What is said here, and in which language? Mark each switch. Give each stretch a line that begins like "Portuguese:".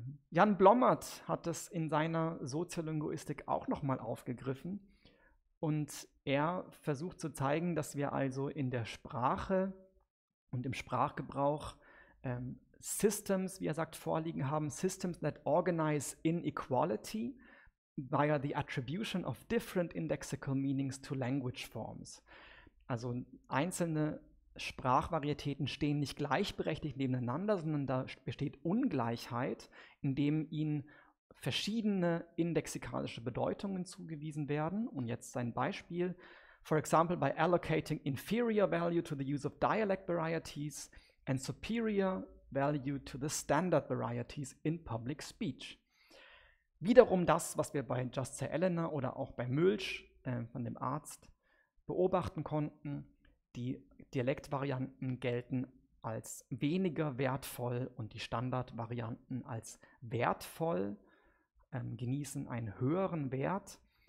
German: Jan Blommert hat es in seiner Soziolinguistik auch nochmal aufgegriffen und er versucht zu zeigen, dass wir also in der Sprache und im Sprachgebrauch Systems, wie er sagt, vorliegen haben,
English: Systems that organize inequality via the attribution of different indexical meanings to language forms.
German: Also einzelne Sprachvarietäten stehen nicht gleichberechtigt nebeneinander, sondern da besteht Ungleichheit, indem ihnen verschiedene indexikalische Bedeutungen zugewiesen werden. Und jetzt ein Beispiel.
English: For example, by allocating inferior value to the use of dialect varieties and superior value to the standard varieties in public speech.
German: Wiederum das, was wir bei Just Say Eleanor oder auch bei Mölsch von dem Arzt beobachten konnten, die Dialektvarianten gelten als weniger wertvoll und die Standardvarianten als wertvoll, genießen einen höheren Wert.